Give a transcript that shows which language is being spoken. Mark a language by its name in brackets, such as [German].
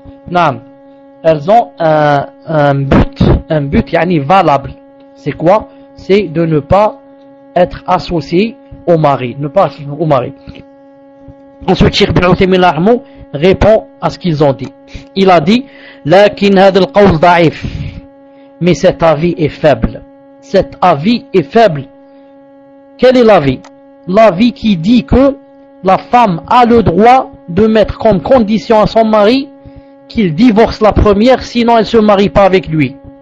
[French] Non, elles ont un but yani valable. C'est quoi? C'est de ne pas être associées au mari, ne pas associées au mari. Ensuite, Cheikh Ibn Uthaymin Rahmo répond à ce qu'ils ont dit. Il a dit, [Arabic] لكن هذا القول ضعيف. [French] Mais cet avis est faible. Cet avis est faible. Quel est l'avis? L'avis qui dit que la femme a le droit de mettre comme condition à son mari qu'il divorce la première, sinon elle ne se marie pas avec lui.